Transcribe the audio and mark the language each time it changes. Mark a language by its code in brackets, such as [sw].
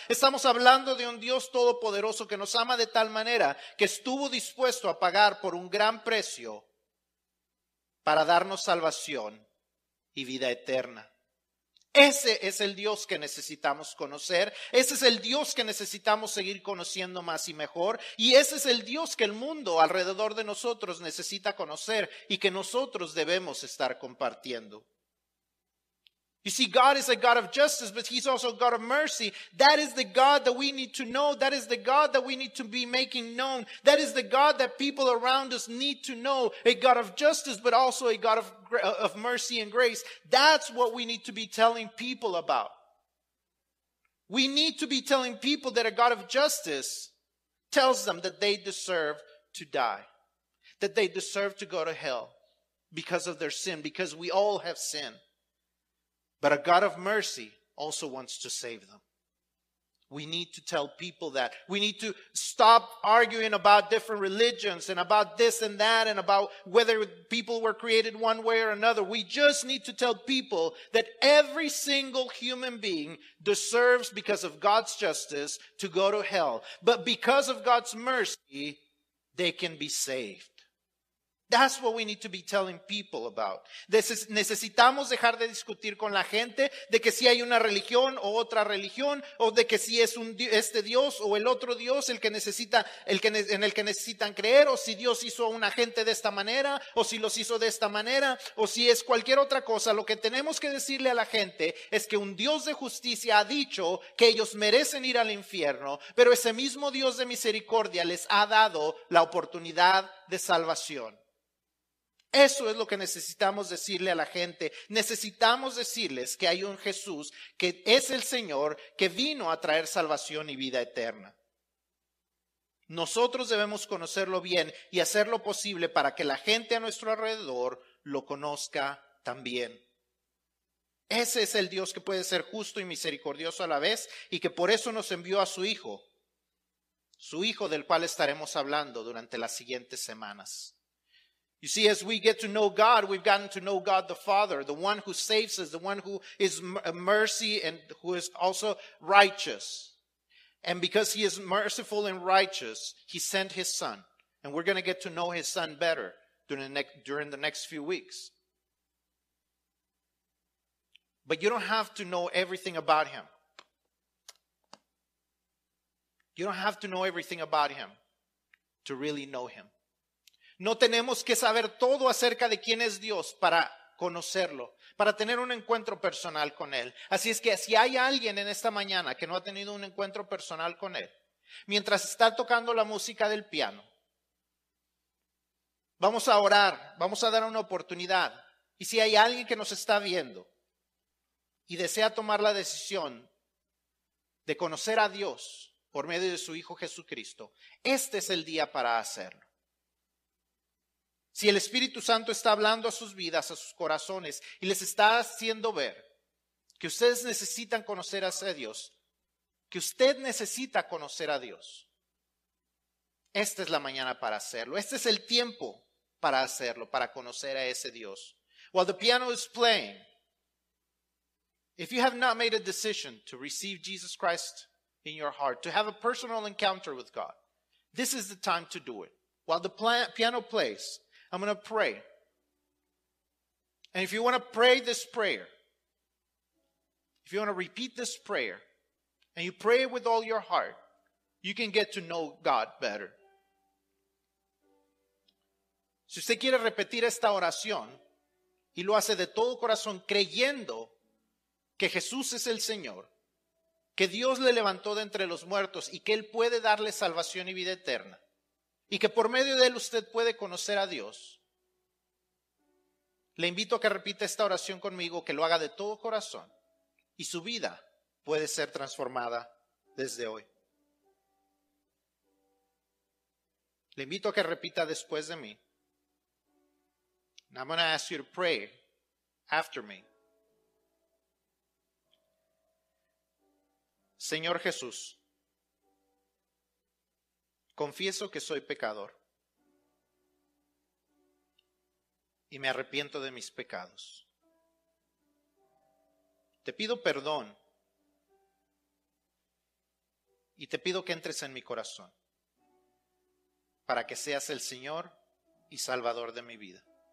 [es] Estamos hablando de un Dios todopoderoso que nos ama de tal manera que estuvo dispuesto a pagar por un gran precio para darnos salvación y vida eterna. Ese es el Dios que necesitamos conocer. Ese es el Dios que necesitamos seguir conociendo más y mejor. Y ese es el Dios que el mundo alrededor de nosotros necesita conocer y que nosotros debemos estar compartiendo. [en] You see, God is a God of justice, but He's also a God of mercy. That is the God that we need to know. That is the God that we need to be making known. That is the God that people around us need to know. A God of justice, but also a God of mercy and grace. That's what we need to be telling people about. We need to be telling people that a God of justice tells them that they deserve to die. That they deserve to go to hell because of their sin, because we all have sinned. But a God of mercy also wants to save them. We need to tell people that. We need to stop arguing about different religions and about this and that and about whether people were created one way or another. We just need to tell people that every single human being deserves, because of God's justice, to go to hell. But because of God's mercy, they can be saved. That's what we need to be telling people about. [es] Necesitamos dejar de discutir con la gente de que si hay una religión o otra religión, o de que si es este Dios o el otro Dios en el que necesitan creer, o si Dios hizo a una gente de esta manera, o si los hizo de esta manera, o si es cualquier otra cosa. Lo que tenemos que decirle a la gente es que un Dios de justicia ha dicho que ellos merecen ir al infierno, pero ese mismo Dios de misericordia les ha dado la oportunidad de salvación. Eso es lo que necesitamos decirle a la gente. Necesitamos decirles que hay un Jesús que es el Señor que vino a traer salvación y vida eterna. Nosotros debemos conocerlo bien y hacer lo posible para que la gente a nuestro alrededor lo conozca también. Ese es el Dios que puede ser justo y misericordioso a la vez y que por eso nos envió a su Hijo del cual estaremos hablando durante las siguientes semanas. [en] You see, as we get to know God, we've gotten to know God the Father, the one who saves us, the one who is mercy and who is also righteous. And because He is merciful and righteous, He sent His Son. And we're going to get to know His Son better during the next few weeks. But you don't have to know everything about Him. You don't have to know everything about Him to really know Him. [es] No tenemos que saber todo acerca de quién es Dios para conocerlo, para tener un encuentro personal con Él. Así es que si hay alguien en esta mañana que no ha tenido un encuentro personal con Él, mientras está tocando la música del piano, vamos a orar, vamos a dar una oportunidad. Y si hay alguien que nos está viendo y desea tomar la decisión de conocer a Dios por medio de su Hijo Jesucristo, este es el día para hacerlo. Si el Espíritu Santo está hablando a sus vidas, a sus corazones, y les está haciendo ver que ustedes necesitan conocer a Dios, que usted necesita conocer a Dios, esta es la mañana para hacerlo. Este es el tiempo para hacerlo, para conocer a ese Dios. [en] While the piano is playing, if you have not made a decision to receive Jesus Christ in your heart, to have a personal encounter with God. This is the time to do it. While the piano plays, I'm going to pray. And if you want to pray this prayer, if you want to repeat this prayer, and you pray with all your heart, you can get to know God better. [es] Si usted quiere repetir esta oración, y lo hace de todo corazón creyendo que Jesús es el Señor, que Dios le levantó de entre los muertos y que Él puede darle salvación y vida eterna, y que por medio de Él usted puede conocer a Dios, le invito a que repita esta oración conmigo, que lo haga de todo corazón, y su vida puede ser transformada desde hoy. Le invito a que repita después de mí. [en] And I'm going to ask you to pray after me. [es] Señor Jesús, confieso que soy pecador y me arrepiento de mis pecados. Te pido perdón y te pido que entres en mi corazón para que seas el Señor y Salvador de mi vida.